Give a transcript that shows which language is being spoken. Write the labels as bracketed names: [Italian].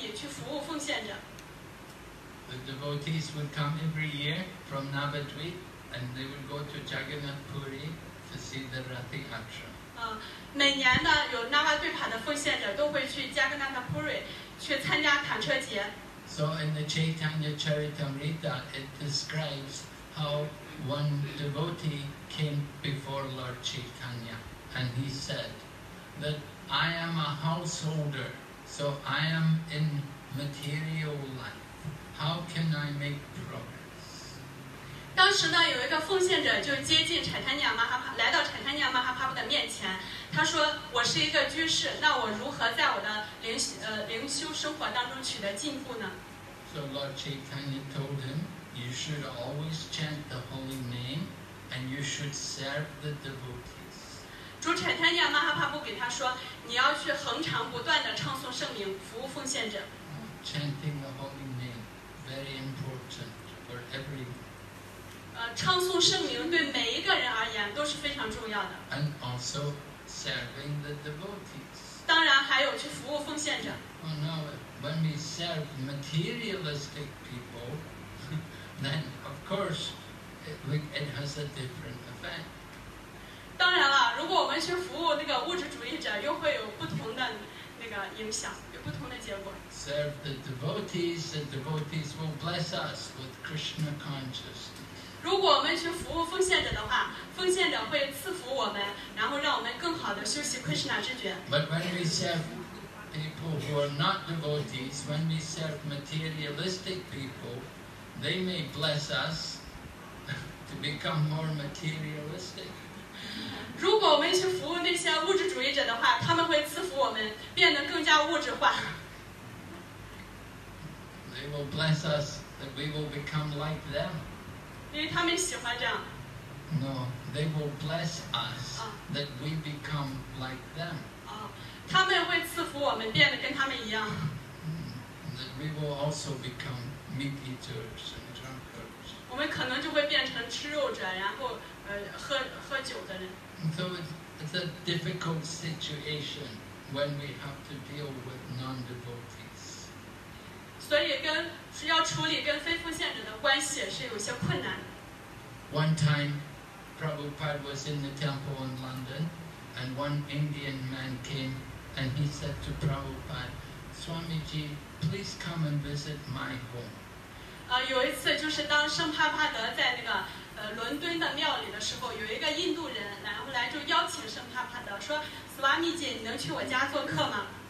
[Chinese] 他训示奉献者说，你们要去跟奉献者联谊，去服务奉献者。 [English] The devotees would come every year from Navadvip, and they would go to Jagannath Puri to see the Rath Yatra. [Chinese] 每年呢，有 Navadvip 的奉献者都会去Jagannath Puri 去参加坦车节。 [English] So in the Chaitanya Charitamrita, it describes how one devotee came before Lord Chaitanya, and he said that I am a householder, so I am in material life. How can I make progress? [Chinese] 当时呢，有一个奉献者就接近产坦尼亚马哈帕，来到产坦尼亚马哈帕布的面前，他说：“我是一个居士，那我如何在我的灵修生活当中取得进步呢？” [English] So Lord Chaitanya told him, "You should always chant the holy name, and you should serve the devotees." [Chinese] 主产坦尼亚马哈帕布给他说：“你要去恒常不断的唱诵圣名，服务奉献者。” [English] Chanting the holy name, very important for everyone. [Chinese] 唱诵圣名对每一个人而言都是非常重要的。 [English] And also serving the devotees. [Chinese] 当然还有去服务奉献者。 [English] Oh no, when we serve materialistic people, then of course it has a different effect. [Chinese] 当然了，如果我们去服务那个物质主义者，又会有不同的那个影响，有不同的结果。 [English] Serve the devotees, the devotees will bless us with Krishna consciousness. [Chinese] 如果我们去服务奉献者的话，奉献者会赐福我们，然后让我们更好的修习 Krishna 之觉。 [English] But when we serve people who are not devotees, when we serve materialistic people, they may bless us to become more materialistic. [Chinese] 如果我们去服务那些物质主义者的话，他们会赐福我们，变得更加物质化。 [English] They will bless us that we will become like them. [Chinese] 因为他们喜欢这样。 [English] No, they will bless us that we become like them. [Chinese] 他们会赐福我们变得跟他们一样。 [English] That we will also become meat eaters and drunkards. [Chinese] 我们可能就会变成吃肉者，然后喝酒的人。 [English] So it's a difficult situation when we have to deal with non-devotees. [Chinese] 所以是要处理跟非奉献者的关系是有些困难的。 [English] One time, Prabhupada was in the temple in London, and one Indian man came, and he said to Prabhupada, "Swamiji, please come and visit my home." [Chinese] 有一次就是当圣帕帕德在那个伦敦的庙里的时候，有一个印度人然后来就邀请圣帕帕德说 ，Swamiji, 你能去我家做客吗？